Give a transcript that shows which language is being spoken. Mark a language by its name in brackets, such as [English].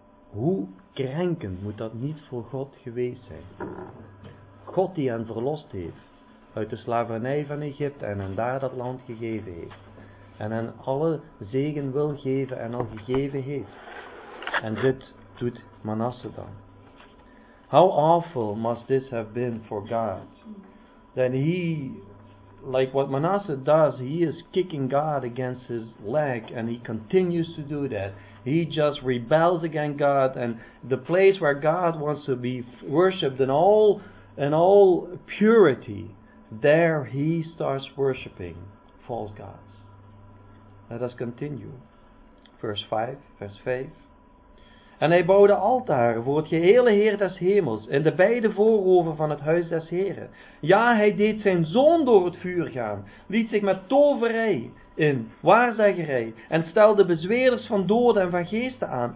[Dutch] Hoe krenkend moet dat niet voor God geweest zijn? God die hen verlost heeft uit de slavernij van Egypte en hen daar dat land gegeven heeft. En hen alle zegen wil geven en al gegeven heeft. En dit doet Manasse dan. [English] How awful must this have been for God? That he, like what Manasseh does, he is kicking God against his leg and he continues to do that. He just rebels against God, and the place where God wants to be worshipped in all purity, there he starts worshipping false gods. Let us continue. Verse 5. [Dutch] En hij bouwde altaren voor het gehele Heer des Hemels in de beide voorhoven van het huis des Heren. Ja, hij deed zijn zoon door het vuur gaan, liet zich met toverij in, waarzeggerij, en stelde bezweerders van doden en van geesten aan.